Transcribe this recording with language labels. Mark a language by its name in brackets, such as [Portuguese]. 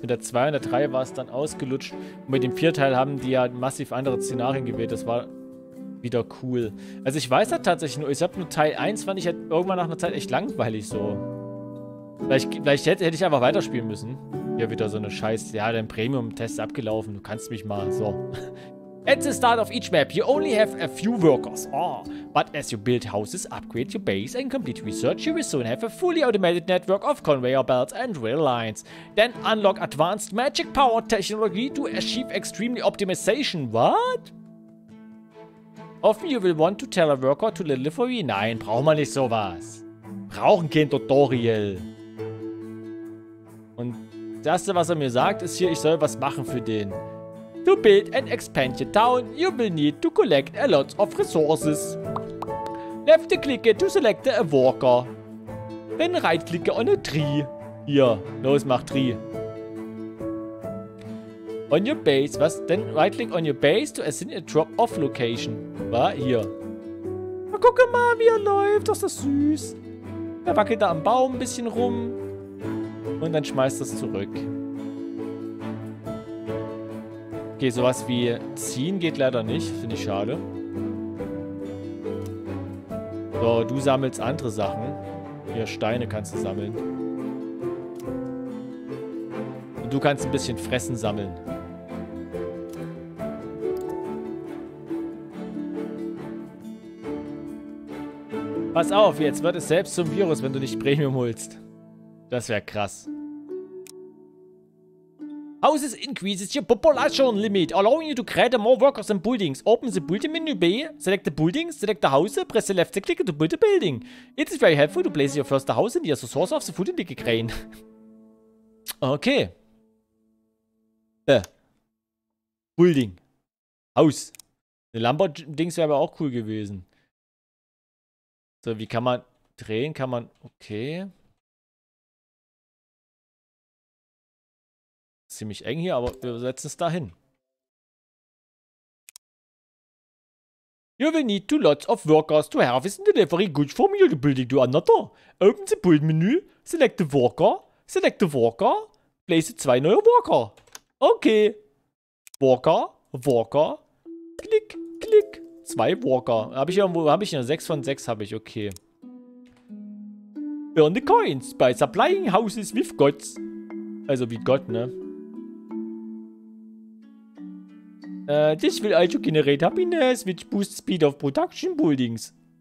[German] Mit der 2 und der 3 war es dann ausgelutscht. Und mit dem 4-Teil haben die ja massiv andere Szenarien gewählt. Das war wieder cool. Also ich weiß ja tatsächlich nur, ich hab nur Teil 1 fand ich halt irgendwann nach einer Zeit echt langweilig so. Vielleicht hätte ich einfach weiterspielen müssen. Ja, wieder so eine Scheiße. Ja, dein Premium-Test ist abgelaufen. Du kannst mich mal. So. [English] At the start of each map, you only have a few workers. Oh. But as you build houses, upgrade your base and complete research, you will soon have a fully automated network of conveyor belts and rail lines. Then unlock advanced magic power technology to achieve extremely optimization. What? Often you will want to tell a worker to delivery. [German] Nein, brauchen wir nicht sowas. Brauchen kein Tutorial. Und das Erste, was er mir sagt, ist hier, ich soll was machen für den. [English] To build and expand your town, you will need to collect a lot of resources. Left click to select a worker. Then right click on a tree. [German] Hier, los, mach tree. [English] On your base, was? Then right click on your base to assign a drop off location. [German] War hier. Na, guck mal, wie er läuft, das ist süß. Er wackelt da am Baum ein bisschen rum. Und dann schmeißt er es zurück. Okay, sowas wie ziehen geht leider nicht. Finde ich schade. So, du sammelst andere Sachen. Hier, Steine kannst du sammeln. Und du kannst ein bisschen Fressen sammeln. Pass auf, jetzt wird es selbst zum Virus, wenn du nicht Premium holst. Das wäre krass. [English] Houses increases your population limit, allowing you to create more workers and buildings. Open the building menu bay, select the buildings, select the house, press the left click to build a building. It is very helpful to place your first house near the source of the food in the crane. Okay. [German] Building. Haus. Eine Lambo-Dings wäre aber auch cool gewesen. So, wie kann man drehen? Kann man... Okay. Ziemlich eng hier, aber wir setzen es dahin. [English] You will need two lots of workers to harvest and delivery good for you to building to another. Open the build menu, select the worker, place [German] zwei neue [English] worker. Okay. [German] Worker, worker, klick, klick, zwei worker. Habe ich irgendwo, habe ich eine 6 von 6, habe ich, okay. [English] Earn the coins by supplying houses with gods. [German] Also wie Gott, ne? [English] This will also generate happiness, which boosts speed of production buildings.